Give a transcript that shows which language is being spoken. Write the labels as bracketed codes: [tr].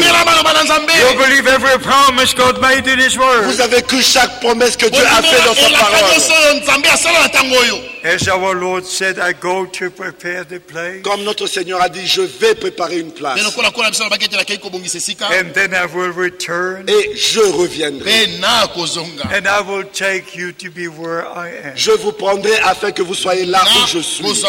[en] You believe every promise God made in His word. [fr] Vous avez cru chaque promesse que Dieu a fait dans sa parole. [en] As our Lord said, I go to prepare the place. [fr] Comme notre Seigneur a dit, je vais préparer une place. [en] And then I will return. [fr] Et je reviendrai. [en] And I will take you to be where I am. [fr] Je vous prendrai afin que vous soyez là où je suis.